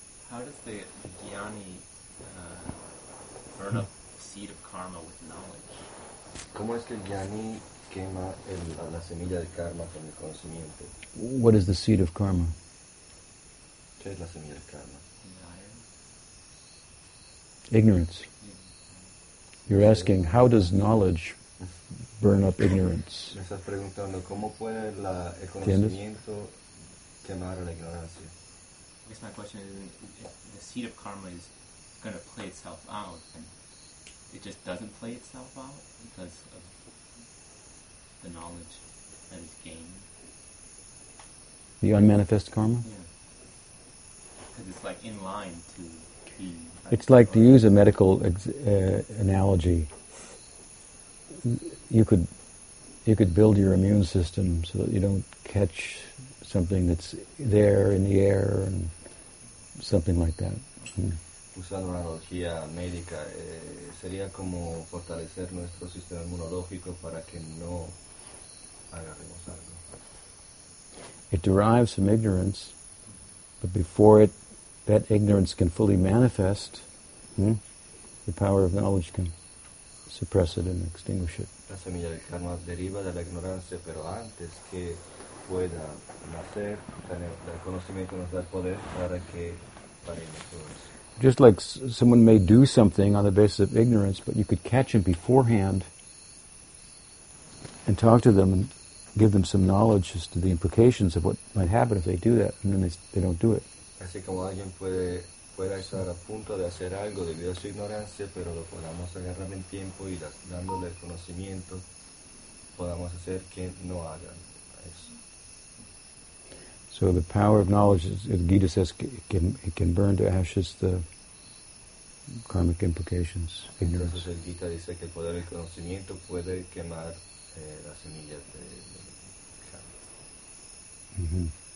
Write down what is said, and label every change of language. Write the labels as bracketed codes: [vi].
[en] How does the jnani burn up the seed of karma with knowledge? [es] ¿Cómo es que el jnani quema la semilla de karma con el conocimiento? [en] What is the seed of karma? [es] ¿Qué es la semilla de karma? [en] Ignorance. You're asking, how does knowledge burn up ignorance? [es] Me estás preguntando, ¿cómo puede el conocimiento quemar la ignorancia? [en] I guess my question is, if the seed of karma is going to play itself out, and it just doesn't play itself out because of the knowledge that is gained. The unmanifest karma? Yeah. Because it's like in line to... It's like, to use a medical analogy, you could build your immune system so that you don't catch something that's there in the air and something like that. [es] Usando una analogía médica, sería como fortalecer nuestro sistema inmunológico para que no agarremos algo. [en] It derives from ignorance, but before that ignorance can fully manifest, the power of knowledge can suppress it and extinguish it. [es] La semilla de karma deriva de la ignorancia, pero antes que pueda nacer, el conocimiento nos da el poder para que paremos todo eso. [en] Just like someone may do something on the basis of ignorance, but you could catch him beforehand and talk to them and give them some knowledge as to the implications of what might happen if they do that, and then they don't do it. [es] Así como alguien pueda estar a punto de hacer algo debido a su ignorancia, pero lo podamos agarrar en tiempo y dándole el conocimiento, podamos hacer que no hagan eso. [en] So the power of knowledge, as Gita says, it can burn to ashes the karmic implications, ignorance. [es] Entonces Gita dice que el poder del conocimiento puede quemar las semillas de karma.